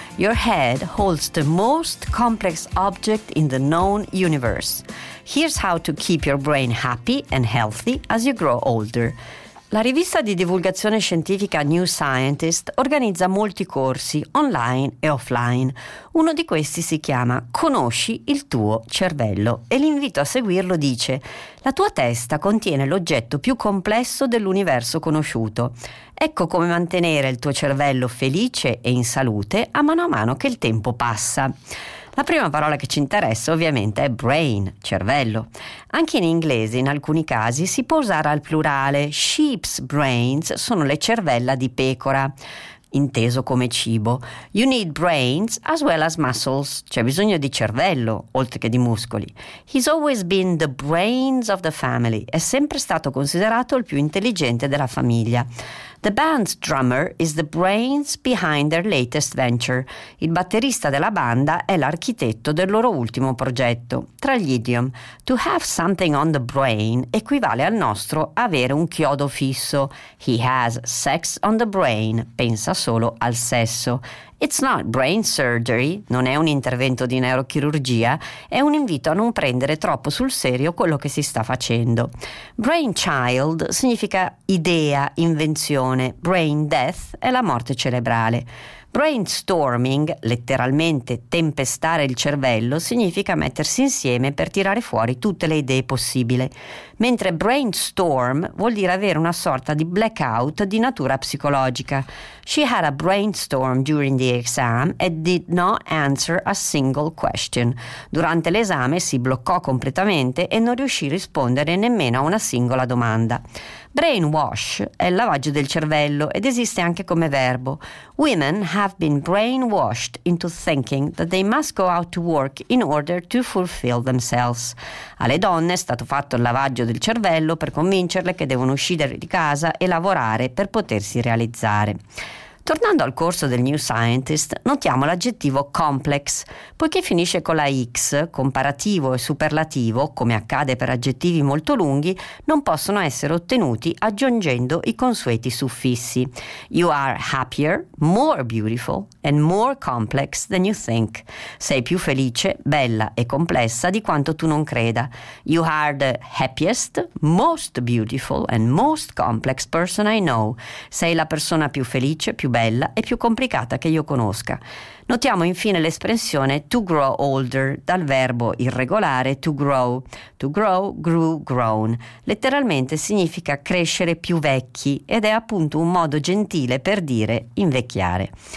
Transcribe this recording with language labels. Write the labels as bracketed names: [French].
[English] Your head holds the most complex object in the known universe. Here's how to keep your brain happy and healthy as you grow older. [Italian] La rivista di divulgazione scientifica New Scientist organizza molti corsi online e offline. Uno di questi si chiama Conosci il tuo cervello e l'invito a seguirlo dice: la tua testa contiene l'oggetto più complesso dell'universo conosciuto. Ecco come mantenere il tuo cervello felice e in salute a mano che il tempo passa. La prima parola che ci interessa ovviamente è brain, cervello. Anche in inglese in alcuni casi si può usare al plurale. Sheep's brains sono le cervella di pecora, inteso come cibo. [English] You need brains as well as muscles. [Italian] C'è bisogno di cervello, oltre che di muscoli. [English] He's always been the brains of the family. [Italian] È sempre stato considerato il più intelligente della famiglia. [English] The band's drummer is the brains behind their latest venture. [Italian] Il batterista della banda è l'architetto del loro ultimo progetto. Tra gli idiom, to have something on the brain equivale al nostro avere un chiodo fisso. [English] He has sex on the brain. [Italian] Pensa solo al sesso. [English] It's not brain surgery, [Italian] non è un intervento di neurochirurgia, è un invito a non prendere troppo sul serio quello che si sta facendo. Brain child significa idea, invenzione, brain death è la morte cerebrale. Brainstorming, letteralmente tempestare il cervello, significa mettersi insieme per tirare fuori tutte le idee possibili, mentre brainstorm vuol dire avere una sorta di blackout di natura psicologica. [English] She had a brainstorm during the exam and did not answer a single question. [Italian] Durante l'esame si bloccò completamente e non riuscì a rispondere nemmeno a una singola domanda. Brainwash è il lavaggio del cervello ed esiste anche come verbo. [English] Women have been brainwashed into thinking that they must go out to work in order to fulfill themselves. [Italian] Alle donne è stato fatto il lavaggio del cervello per convincerle che devono uscire di casa e lavorare per potersi realizzare. Tornando al corso del New Scientist, notiamo l'aggettivo complex. Poiché finisce con la X, comparativo e superlativo, come accade per aggettivi molto lunghi, non possono essere ottenuti aggiungendo i consueti suffissi. [English] You are happier, more beautiful and more complex than you think. [Italian] Sei più felice, bella e complessa di quanto tu non creda. [English] You are the happiest, most beautiful and most complex person I know. [Italian] Sei la persona più felice, più bella e più complicata che io conosca. Notiamo infine l'espressione to grow older dal verbo irregolare to grow. [English] To grow, grew, grown. [Italian] Letteralmente significa crescere più vecchi ed è appunto un modo gentile per dire invecchiare.